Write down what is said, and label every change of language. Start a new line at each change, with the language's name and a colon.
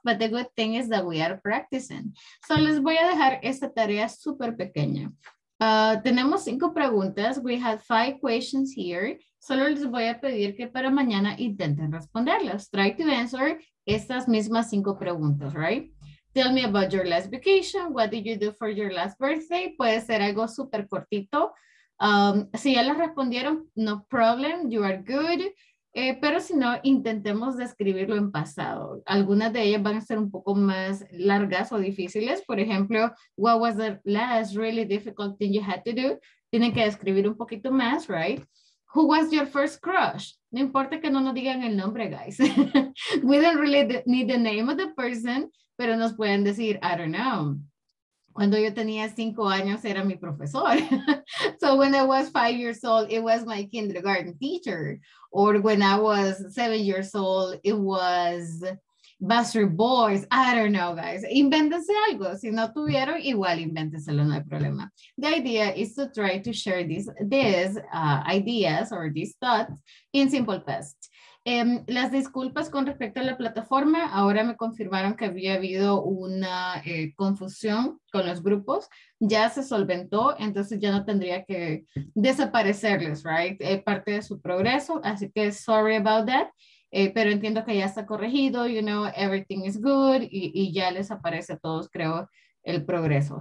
English: But the good thing is that we are practicing.
Spanish: So les voy a dejar esta tarea super pequeña. Tenemos 5 preguntas.
English: We have 5 questions here.
Spanish: Solo les voy a pedir que para mañana intenten responderlas.
English: Try to answer
Spanish: estas mismas 5 preguntas,
English: right? Tell me about your last vacation. What did you do for your last birthday?
Spanish: Puede ser algo súper cortito. Si ya las respondieron,
English: no problem. You are good.
Spanish: Pero si no, intentemos describirlo en pasado. Algunas de ellas van a ser un poco más largas o difíciles. Por ejemplo,
English: what was the last really difficult thing you had to do?
Spanish: Tienen que describir un poquito más,
English: right? Who was your first crush?
Spanish: No importa que no nos digan el nombre,
English: guys. We don't really need the name of the person,
Spanish: pero nos pueden decir,
English: I don't know.
Spanish: Cuando yo tenía 5 años, era mi profesor.
English: So when I was 5 years old, it was my kindergarten teacher. Or when I was 7 years old, it was Buster Boys. I don't know, guys.
Spanish: Invéntense algo. Si no tuvieron, igual invéntenselo, no hay problema.
English: The idea is to try to share these ideas or these thoughts in simple past.
Spanish: Las disculpas con respecto a la plataforma, ahora me confirmaron que había habido una confusión con los grupos, ya se solventó, entonces ya no tendría que desaparecerles, right? Parte de su progreso, así que
English: sorry about that,
Spanish: pero entiendo que ya está corregido,
English: you know, everything is good,
Spanish: y ya les aparece a todos, creo, el progreso.